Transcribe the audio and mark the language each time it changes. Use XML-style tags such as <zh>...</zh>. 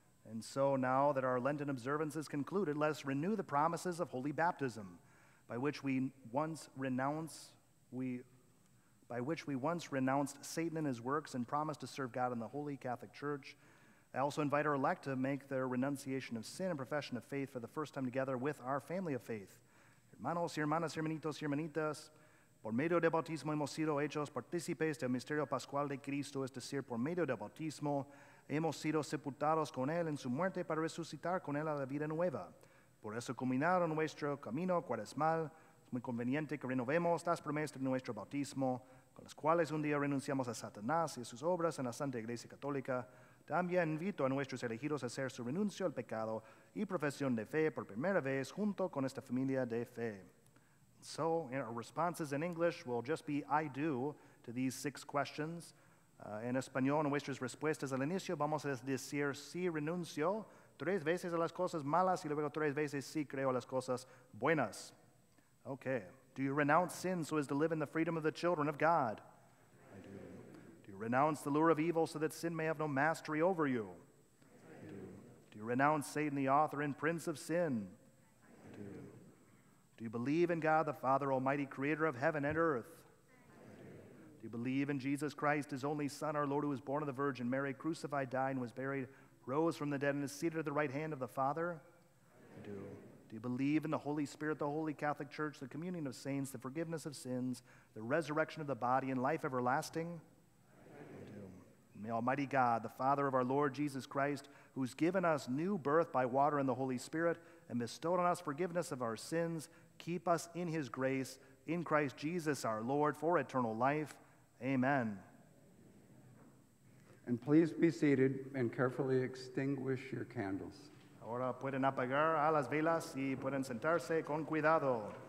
<en>And so now that our Lenten observance is concluded, let us renew the promises of holy baptism by which we once renounced Satan and his works and promised to serve God in the Holy Catholic Church. I also invite our elect to make their renunciation of sin and profession of faith for the first time together with our family of faith.</en> <es>Hermanos y hermanas, hermanitos y hermanitas, por medio del bautismo hemos sido hechos partícipes del misterio pascual de Cristo, es decir, por medio del bautismo hemos sido sepultados con él en su muerte para resucitar con él a la vida nueva. Por eso, culminado nuestro camino cuaresmal, es muy conveniente que renovemos las promesas de nuestro bautismo, con las cuales un día renunciamos a Satanás y a sus obras en la Santa Iglesia Católica. También invito a nuestros elegidos a hacer su renuncio al pecado y profesión de fe por primera vez junto con esta familia de fe.</es> <en>So, in our responses in English will just be I do to these six questions.</en> <es>En español, nuestras respuestas al inicio, vamos a decir sí renuncio tres veces a las cosas malas y luego tres veces sí creo a las cosas buenas.</es> <en>Okay. Do you renounce sin so as to live in the freedom of the children of God? I do. Do you renounce the lure of evil so that sin may have no mastery over you? I do. Do you renounce Satan, the author and prince of sin? Do you believe in God, the Father, almighty creator of heaven and earth? I do. Do you believe in Jesus Christ, his only Son, our Lord, who was born of the Virgin Mary, crucified, died, and was buried, rose from the dead, and is seated at the right hand of the Father? I do. Do you believe in the Holy Spirit, the Holy Catholic Church, the communion of saints, the forgiveness of sins, the resurrection of the body, and life everlasting? I do. May almighty God, the Father of our Lord Jesus Christ, who's given us new birth by water and the Holy Spirit, and bestowed on us forgiveness of our sins, keep us in his grace, in Christ Jesus our Lord, for eternal life. Amen. And please be seated and carefully extinguish your candles.</en> <es>Ahora pueden apagar a las velas y pueden sentarse con cuidado.</es>